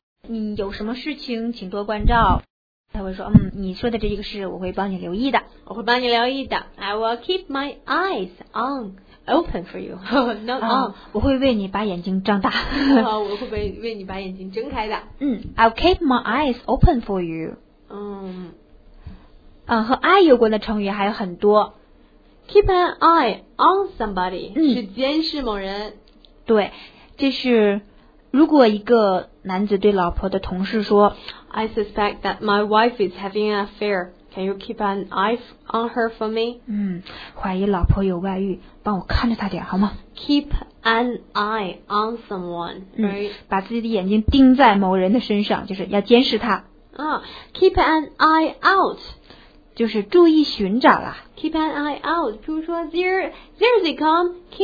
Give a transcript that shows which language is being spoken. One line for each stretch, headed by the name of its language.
Chinese: 你有什么事情请多关照，他会说你说的这个事我会帮你留意的，我会帮你留意的。
English: I will keep my eyes on open for you. Not on.
Chinese: 我会为你把眼睛张大。我会为你把眼睛睁开的。
English: I'll keep my eyes open for you.
Chinese: 和爱有关的成语还有很多。
English: Keep an eye on somebody
Chinese: 是监视某人。对，这是如果一个男子对老婆的同事说
English: I suspect that my wife is having an affair. Can you keep an eye on her for me?
Chinese: 怀疑老婆有外遇，帮我看着她点好吗？
English: Keep an eye on someone, right?
Chinese: 把自己的眼睛盯在某人的身上，就是要监视他。
English: Keep an eye out.
Chinese: 就是注意寻找了。
English: Keep an eye out.
Chinese: 比如说
English: there they come.